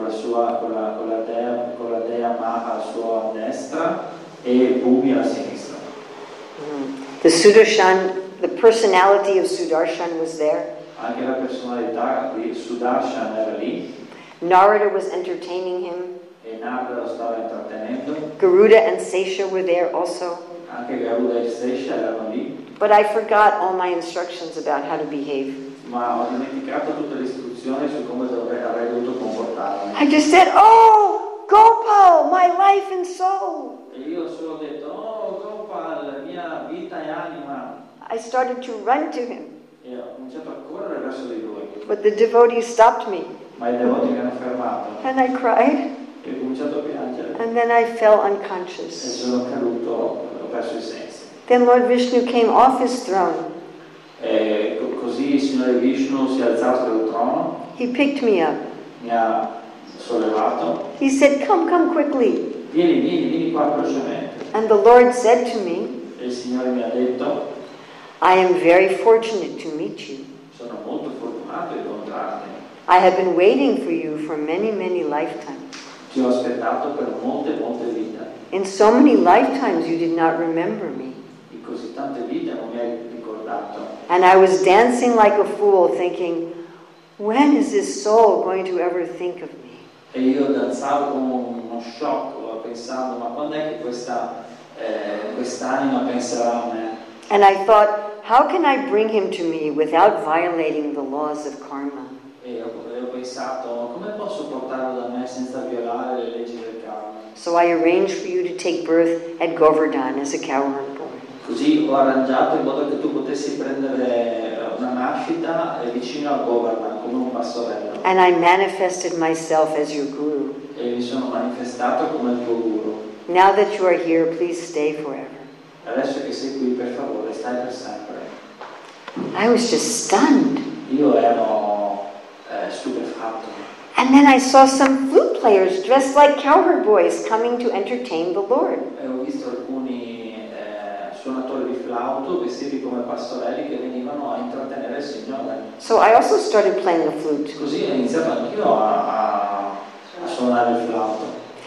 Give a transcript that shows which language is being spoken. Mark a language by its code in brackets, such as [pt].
[it] Con la dea Maha a sua destra e Bhumi a sinistra. [en] The Sudarshan, the personality of Sudarshan was there. [it] Anche la personalità di Sudarshan era lì. [en] Narada was entertaining him. [it] E Narada lo stava intrattenendo. [en] Garuda and Sesha were there also. [it] Anche Garuda e Sesha erano lì. [en] But I forgot all my instructions about how to behave. [it] Ma ho dimenticato tutte le istruzioni su come avrei dovuto comportarmi. [en] I just said, "Oh, Gopal, my life and soul." [it] E io solo detto, "Oh, Gopal, mia vita e anima." [en] I started to run to him. [it] E ho cominciato a correre verso di lui. [en] But the devotee stopped me. [it] Ma i devoti mi hanno fermato. [en] And I cried. [it] E ho cominciato a piangere. [en] And then I fell unconscious. [it] E sono caduto, ho perso i sensi. [en] Then Lord Vishnu came off his throne. [it] Così il Signore Vishnu si è alzato dal trono. [en] He picked me up. [it] Mi ha sollevato. [en] He said, come quickly. [it] Vieni, vieni, vieni qua velocemente. [en] And the Lord said to me. [it] E il Signore mi ha detto. [en] I am very fortunate to meet you. [it] Sono molto fortunato di incontrarti. [en] I have been waiting for you for many, many lifetimes. [it] ti ho aspettato per molte, molte vite. [en] In so many lifetimes you did not remember me. [it] In così tante vite non mi hai ricordato. [en] And I was dancing like a fool, thinking, when is this soul going to ever think of me? [it] E io danzavo come uno sciocco, pensando, ma quando è che quest'anima penserà a me? [en] And I thought, how can I bring him to me without violating the laws of karma? So I arranged for you to take birth at Govardhan as a cowherd boy. [it] Così ho arrangiato in modo che tu potessi prendere una nascita vicino a Govardhan come un pastorello. [en] And I manifested myself as your guru. [it] E mi sono manifestato come il tuo guru. [en] Now that you are here, please stay forever. [it] Adesso che sei qui, per favore, stai per sempre. [en] I was just stunned. [it] Io ero stupefatto. [en] And then I saw some flute players dressed like cowherd boys coming to entertain the Lord. [it] E ho visto alcuni suonatori di flauto vestiti come pastorelli che venivano a intrattenere il Signore. [en] So I also started playing the flute. [it] Così ho iniziato anch'io a suonare il flauto.